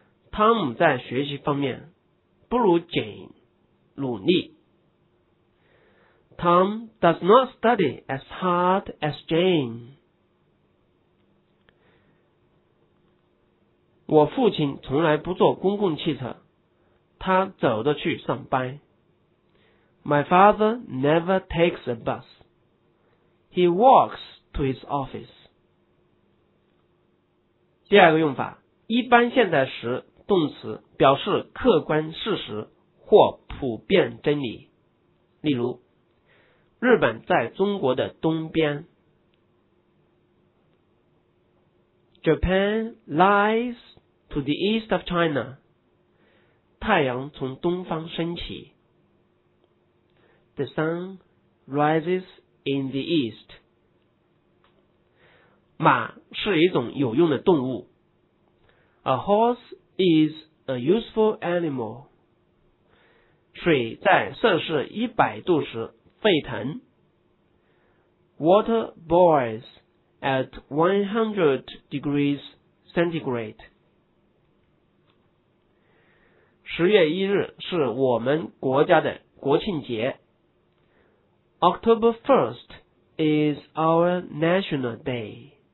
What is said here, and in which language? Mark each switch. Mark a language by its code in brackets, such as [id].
[zh] 汤姆在学习方面不如简努力。 [en] Tom does not study as hard as Jane. [zh] 我父亲从来不坐公共汽车，他走着去上班。 [en] My father never takes a bus. He walks to his office. [zh] 第二个用法，一般现在时动词表示客观事实或普遍真理。例如，日本在中国的东边。 [en] Japan lies to the east of China. [zh] 太阳从东方升起。 [en] The sun rises. In the East， [zh] 马是一种有用的动物。 [en] A horse is a useful animal。 [zh] 水在摄氏100度时沸腾。 [en] Water boils at 100 degrees centigrade。 [zh] 10月1日是我们国家的国庆节。 [en] October 1st is our National Day.